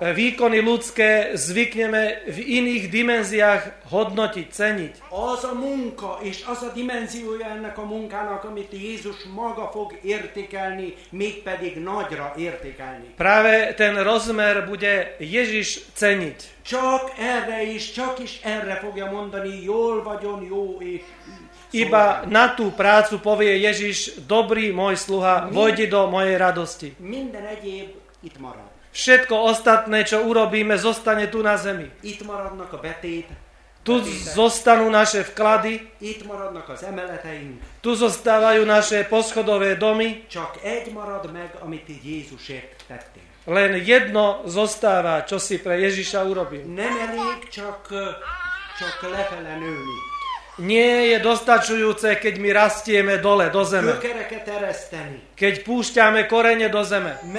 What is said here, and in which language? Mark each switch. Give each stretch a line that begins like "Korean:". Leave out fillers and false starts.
Slovak: Výkony ľudské zvykneme v iných dimenziách hodnotiť, ceniť.
Hungarian: Az a munka és az a dimenziója ennek a munkának, amit Jézus maga fog értékelni, mégpedig nagyra értékelni.
Slovak: Práve ten rozmer bude Ježiš ceniť.
Hungarian: Csak erre is, csak is erre fogja mondani, jól vagyon, jó és...
Slovak: Iba na tú prácu povie Ježiš, dobrý môj sluha, vojdi do mojej radosti.
Hungarian: Minden egyéb itt marad.
Slovak: Všetko ostatné, čo urobíme, zostane tu na zemi.
Hungarian: Itt maradnak a betét.
Slovak: Tu zostanú naše vklady.
Hungarian: Itt maradnak az emeleteink.
Slovak: Tu zostávajú naše poschodové domy.
Hungarian: Csak egy marad meg, amit ty Jézusért tettél.
Slovak: Len jedno zostáva, čo si pre Ježiša urobil.
Hungarian: Nem elég, csak lefele nőni.
Slovak: Nie je dostačujúce, keď my rastieme dole, do zeme. Keď púšťame korene do zeme.